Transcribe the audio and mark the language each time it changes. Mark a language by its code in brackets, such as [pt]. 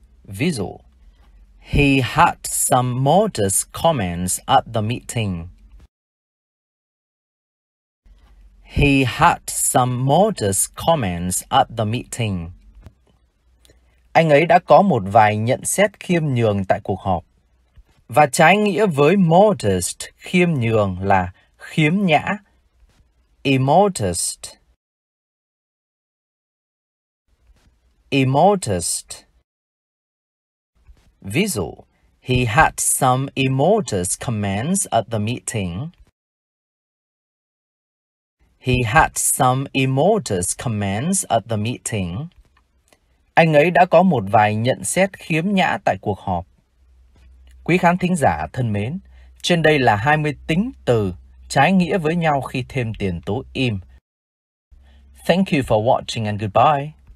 [vi] Ví dụ, [en] he had some modest comments at the meeting. He had some modest comments at the meeting. [vi] Anh ấy đã có một vài nhận xét khiêm nhường tại cuộc họp. Và trái nghĩa với modest, khiêm nhường, là khiếm nhã. [en] Immodest. Immodest. [vi] Ví dụ, [en] he had some immodest comments at the meeting. He had some immodest comments at the meeting. [vi] Anh ấy đã có một vài nhận xét khiếm nhã tại cuộc họp. Quý khán thính giả thân mến, trên đây là 20 tính từ trái nghĩa với nhau khi thêm tiền tố im. [en] Thank you for watching and goodbye.